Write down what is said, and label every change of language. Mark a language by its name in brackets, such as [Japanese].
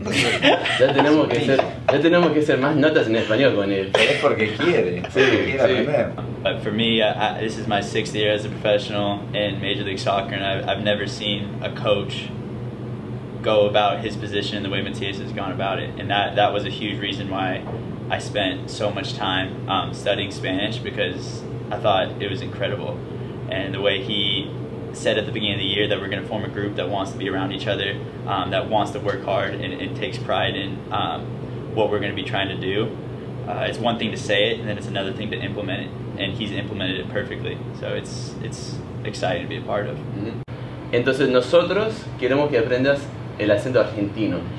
[Spanish] Ya tenemos que hacer, más notas en español con él. Es porque quiere. [English] But for me, this is my sixth year as a professional in Major League Soccer, and I've never seen a coach go about his position the way Matias has gone about it. And that was a huge reason why I spent so much time studying Spanish, because I thought it was incredible. And the way he said at the beginning of the year that we're going to form a group that wants to be around each other, that wants to work hard and takes pride in what we're going to be trying to do. It's one thing to say it, and then it's another thing to implement it. And he's implemented it perfectly, so it's exciting to be a part of. [Spanish] Entonces nosotros queremos que aprendas el acento argentino.